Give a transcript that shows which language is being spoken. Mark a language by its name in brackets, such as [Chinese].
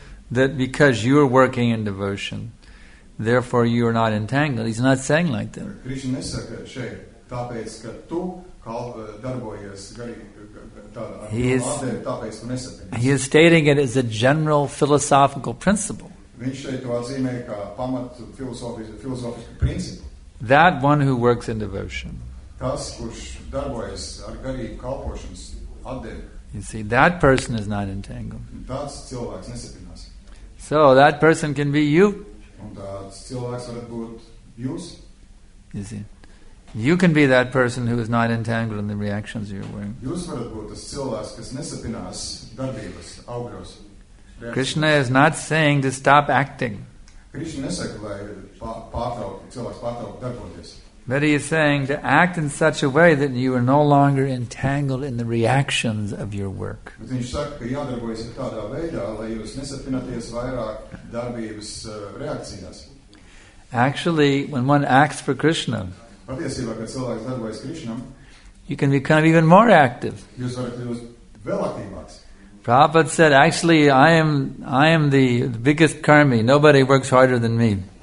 [English] that because you are working in devotion, therefore you are not entangled. He's not saying like that. [Latvian] Krishna nesaka šeit, tāpēc, ka tu kal, darbojies [English] He is stating it as a general philosophical principle. [Latvian] Viņš šeit to atzīmē kā pamatu filozofisku principu. [English] That one who works in devotion. [Latvian] Tas, kurš darbojas ar garīgu kalpošanas atdevi. [English] You see, that person is not entangled. [Latvian] Tāds cilvēks nesapinās. [English] So, that person can be you. [Latvian] Un tāds cilvēks varat būt jūs. [English] You see, you can be that person who is not entangled in the reactions you're wearing. [Latvian] Jūs varat būt tas cilvēks, kas nesapinās darbības augļos. [English] Krishna is not saying to stop acting. [Latvian] Krishna nesaka, lai cilvēks pārtrauk darboties. [English] But he is saying to act in such a way that you are no longer entangled in the reactions of your work. [Latvian] Bet viņš saka, ka jādarbojas tādā veidā, lai jūs nesapinaties vairāk darbības reakcijās. [English] Actually, when one acts for Krishna, [Latvian] patiesībā, kad cilvēks darbojas Krishnam, [English] you can become even more active. [Latvian] Jūs varat kļūt vēl aktīvāks. [English] Prabhupada said, actually, I am the biggest karmi. Nobody works harder than me.